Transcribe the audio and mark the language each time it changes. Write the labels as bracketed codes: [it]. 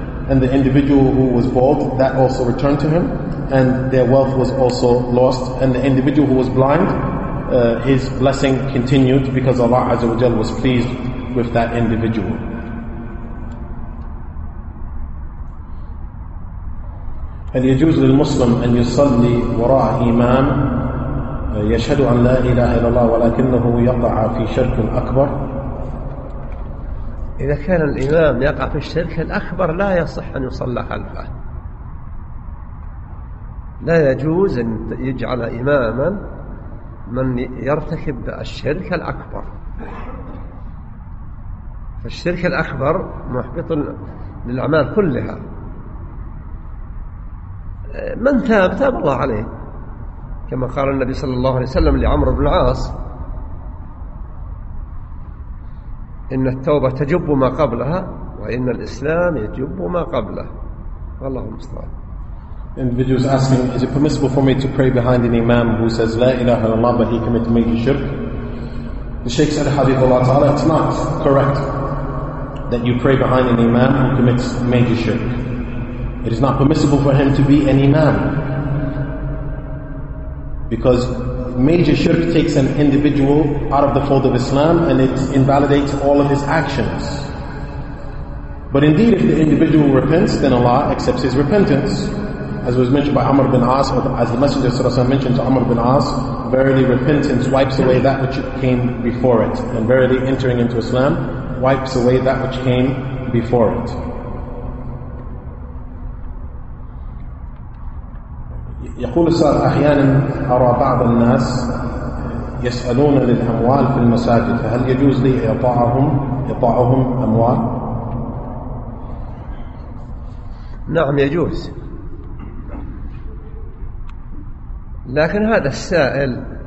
[en] And the individual who was bald, that also returned to him. And their wealth was also lost. And the individual who was blind, his blessing continued because Allah Azza wa Jal was pleased with that individual. [ar] هل يجوز للمسلم أن يصلي وراء إمام يشهد أن لا إله إلا الله ولكنه يقع في شرك أكبر؟ إذا كان الإمام يقع في الشرك الأكبر لا يصح أن يصلى خلفه، لا يجوز أن يجعل إماما من يرتكب الشرك الأكبر، فالشرك الأكبر محبط للأعمال كلها. من تاب تاب الله عليه، كما قال النبي صلى الله عليه وسلم لعمر بن العاص، إن التوبة تجب ما قبلها وإن الإسلام يجب ما قبله. والله المستعان. [en] Individual is asking, is it permissible for me to pray behind an imam who says [ar] لا إله إلا الله [en] but he commits major shirk? The Sheikh said, [ar] حديث الله تعالى, [en] it's not correct that you pray behind an imam who commits major shirk. It is not permissible for him to be an imam. Because major shirk takes an individual out of the fold of Islam and it invalidates all of his actions. But indeed, if the individual repents, then Allah accepts his repentance. As was mentioned by Amr bin As, or as the Messenger ﷺ mentioned to Amr bin As, verily repentance wipes away that which came before it. And verily entering into Islam wipes away that which came before it. [ar] يقول السائل أحيانا أرى بعض الناس يسألون للأموال في المساجد فهل يجوز لي إعطاهم أموال؟ نعم يجوز، لكن هذا السائل